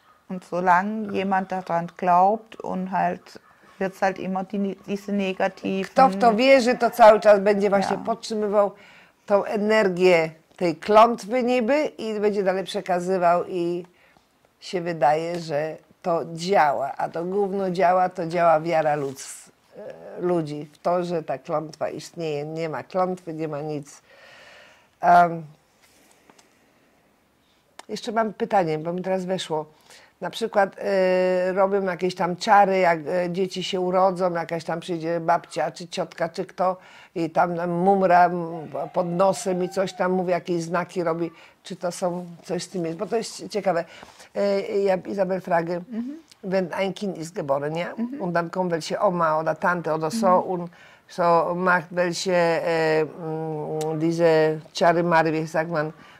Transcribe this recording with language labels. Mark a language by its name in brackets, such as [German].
[German] Und solange jemand daran glaubt und halt wird halt immer diese negativen. [Polish] Kto w to wierzy, to cały czas będzie właśnie podtrzymywał tą energię tej klątwy niby i będzie dalej przekazywał i się wydaje, że to działa, a to gówno działa, to działa wiara ludzi w to, że ta klątwa istnieje, nie ma klątwy, nie ma nic. Jeszcze mam pytanie, bo mi teraz weszło. Na przykład robią jakieś tam czary, jak dzieci się urodzą, jakaś tam przyjdzie babcia, czy ciotka, czy kto i tam mumra pod nosem i coś tam mówi, jakieś znaki robi, czy to są coś z tym jest. Bo to jest ciekawe. [German] Isabel frage, wenn ein Kind ist geboren, ja? Und dann kommt welche Oma oder Tante oder so und so macht welche diese [Polish] czary mary, [German] wie sagt man,